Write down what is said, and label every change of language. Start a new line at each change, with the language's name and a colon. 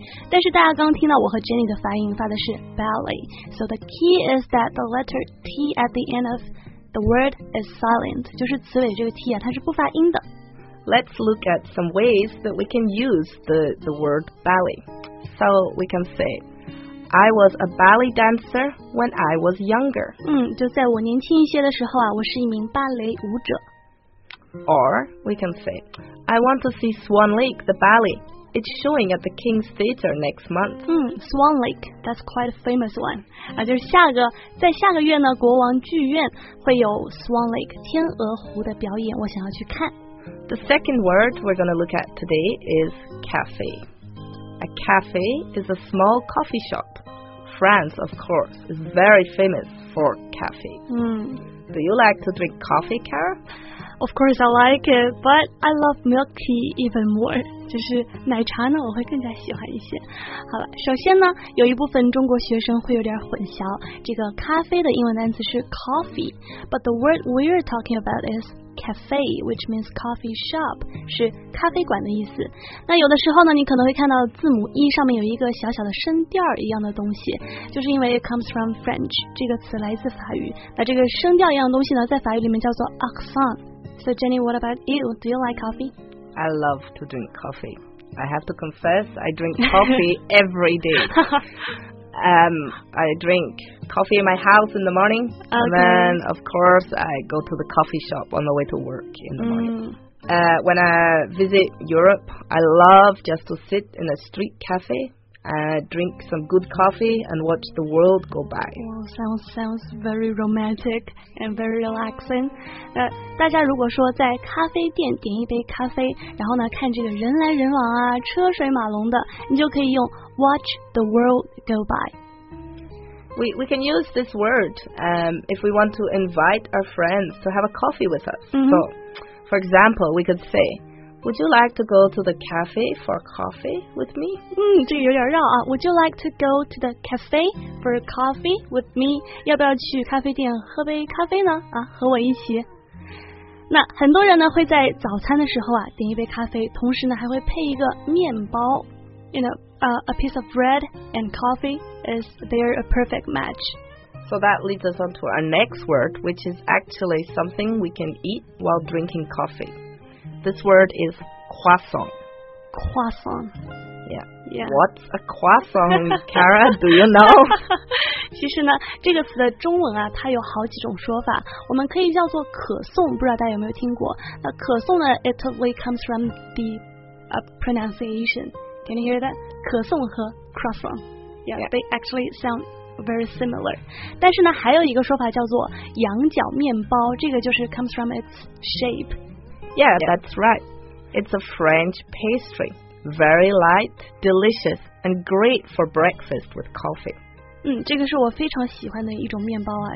Chinese: 但是大家刚听到我和 Jenny 的发音发的是 ballet.
English: So the key is that the letter T at the end of the word is silent.
Chinese: 就是词尾这个 T 啊，它是不发音的。
English: Let's look at some ways that we can use the word ballet. So we can say, I was a ballet dancer when I was younger. 就在我年轻一些的时候啊，我是一名芭蕾舞者。 Or we can say, I want to see Swan Lake, the ballet. It's showing at the King's Theatre next month. Swan Lake, that's quite a famous one. 就是下个月呢，国王剧院会有 Swan Lake, 天鹅湖的表演，我想要去看。 The second word we're going to look at today is cafe. A cafe is a small coffee shop. France, of course, is very famous for cafe. Do you like to drink coffee, Cara? Of course, I like it, but I love milk tea even more.
Chinese: 就是奶茶呢，我会更加喜欢一些。好了，首先呢，有一部分中国学生会有点混淆，这个咖啡的英文单词是 coffee,
English: but the word we're talking about is. Cafe, which means coffee shop,
Chinese: 是咖啡馆的意思。那有的时候呢，你可能会看到字母 E 上面有一个小小的声调一样的东西，就是因为
English: it comes from French,
Chinese: 这个词来自法语。那这个声调一样的东西呢，在法语里面叫做 accent.
English: So Jenny, what about you? Do you like coffee? I love to drink coffee. I have to confess, I drink coffee every day. I drink coffee in my house in the morning. Okay. And then, of course, I go to the coffee shop on the way to work in the morning. When I visit Europe, I love just to sit in a street cafe, drink some good coffee, and watch the world go by. Wow, sounds very romantic and very relaxing.
Chinese: 大家如果说在咖啡店点一杯咖啡，然后呢，看这个人来人往啊，车水马龙的，你就可以用
English: Watch the world go by. We can use this word if we want to invite our friends to have a coffee with us. So, for example, we could say, Would you like to go to the cafe for coffee with me?
Chinese: 这有点绕啊。
English: Would you like to go to the cafe for coffee with me?
Chinese: 要不要去咖啡店喝杯咖啡呢？和我一起。那很多人呢会在早餐的时候啊点一杯咖啡，同时呢还会配一个面包。
English: You know, a piece of bread and coffee is there a perfect match. So that leads us on to our next word, which is actually something we can eat while drinking coffee. This word is croissant. Croissant. Yeah. Yeah. What's a croissant, Kara? Do you know?
Chinese: 其实呢，这个词的中文啊，它有好几种说法。我们可以叫做可颂，不知道大家有没有听过？那可颂呢
English: ，it totally comes from the pronunciation. Can you hear that?
Chinese: 可颂和 croissant.
English: Yeah, yeah, they actually sound very similar.
Chinese: 但是呢还有一个说法叫做羊角面包，这个就是
English: comes from its shape. Yeah, yeah, that's right. It's a French pastry. Very light, delicious, and great for breakfast with coffee.
Chinese: 这个是我非常喜欢的一种面包啊。